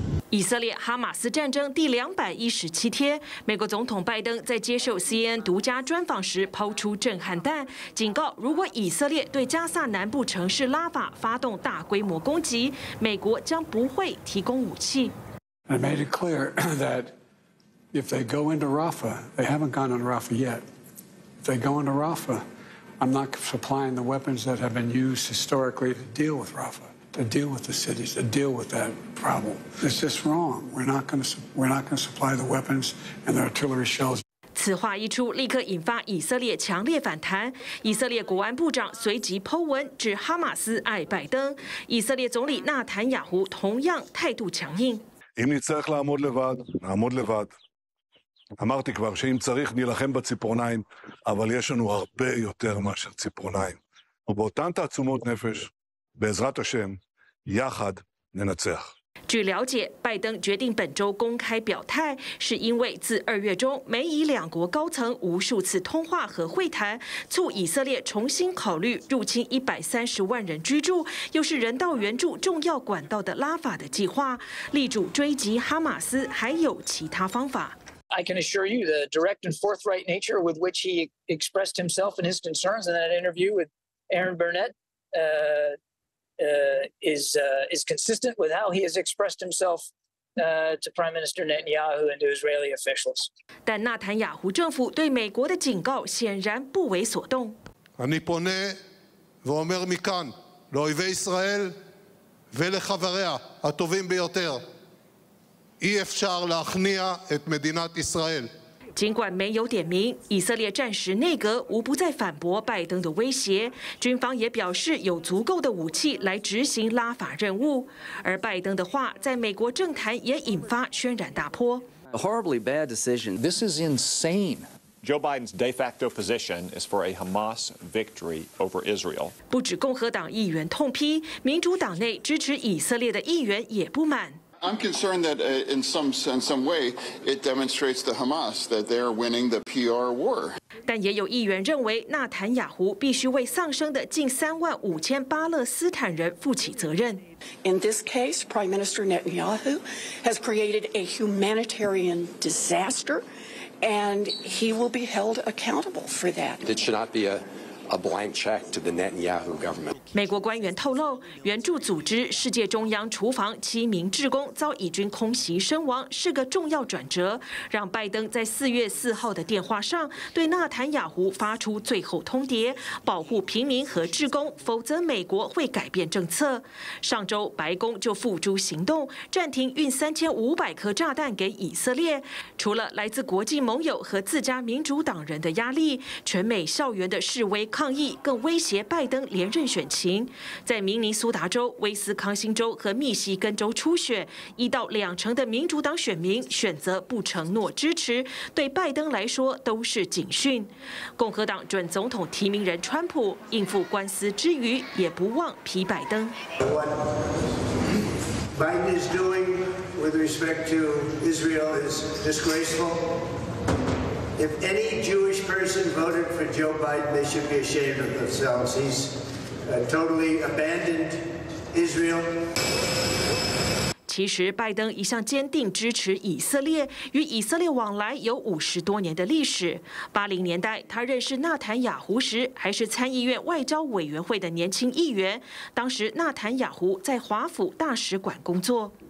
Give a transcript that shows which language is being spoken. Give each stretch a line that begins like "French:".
Chinese: 以色列哈马斯战争第217天，美国总统拜登在接受 CNN 独家专访时抛出震撼弹，警告如果以色列对加萨南部城市拉法发动大规模攻击，美国将不会提供武器。
English: I made it clear that. If they go into Rafah, they haven't gone into Rafah yet. If they go into Rafah, I'm not supplying the weapons that have been used historically to deal with Rafah, to deal with the cities, to deal with that problem. It's just wrong. We're not going to supply the weapons and the artillery shells.
Chinese: 此话一出，立刻引发以色列强烈反弹。以色列国安部长随即po文指哈马斯爱拜登。以色列总理纳坦雅胡同样态度强硬。
Hebrew: אם נצטרך לעמוד לבד, נעמוד לבד. אמרתי כבר שאם צריך נלחם בציפורניים, אבל יש לנו הרבה יותר מאשר ציפורניים. ובאותן תעצומות נפש, בעזרת השם, יחד ננצח.
Chinese: 据了解，拜登决定本周公开表态，是因为自二月中美以两国高层无数次通话和会谈，促以色列重新考虑入侵130万人居住，又是人道援助重要管道的拉法的计划，力主追击哈马斯，还有其他方法。
English: I can assure you the direct and forthright nature with which he expressed himself and his concerns in that interview with Aaron Burnett. Is consistent with how he has expressed himself to Prime Minister Netanyahu and to Israeli officials.
Chinese: 但纳坦雅胡政府对美国的警告显然不为所动。
Hebrew: אני פונה ואומר מכאן לאויבי ישראל ולחבריה הטובים ביותר, אי אפשר להכניע את מדינת ישראל.
Chinese: 尽管没有点名，以色列战时内阁无不再反驳拜登的威胁，军方也表示有足够的武器来执行拉法任务。而拜登的话在美国政坛也引发轩然大波。
English: A horribly bad decision. This is insane. Joe Biden's de facto position is for a Hamas victory over Israel.
Chinese: 不止共和党议员痛批，民主党内支持以色列的议员也不满。
English: I'm concerned that in some way it demonstrates to Hamas that they are winning the PR war.
Chinese: 但也有议员认为纳坦雅胡必须为丧生的近35000巴勒斯坦人负起责任。
English: In this case, Prime Minister Netanyahu has created a humanitarian disaster, and he will be held accountable for that. It should not be a blank check to the Netanyahu government.
Chinese: 美国官员透露，援助组织世界中央厨房7名志工遭以军空袭身亡，是个重要转折，让拜登在4月4号的电话上对纳坦雅胡发出最后通牒，保护平民和志工，否则美国会改变政策。上周白宫就付诸行动，暂停运3500颗炸弹给以色列。除了来自国际盟友和自家民主党人的压力，全美校园的示威抗议更威胁拜登连任选。情。在明尼苏达州、威斯康星州和密西根州初选，一到两成的民主党选民选择不承诺支持，对拜登来说都是警讯。共和党准总统提名人川普应付官司之余，也不忘批拜登。
English: Biden is doing with respect to Israel is disgraceful. If any Jewish person voted for Joe Biden, they should be ashamed of themselves. He's totally abandoned Israel.
Chinese: 其实拜登一向坚定支持以色列，与以色列往来有50多年的历史。 80年代他认识纳坦雅胡时还是参议院外交委员会的年轻议员，当时纳坦雅胡在华府大使馆工作。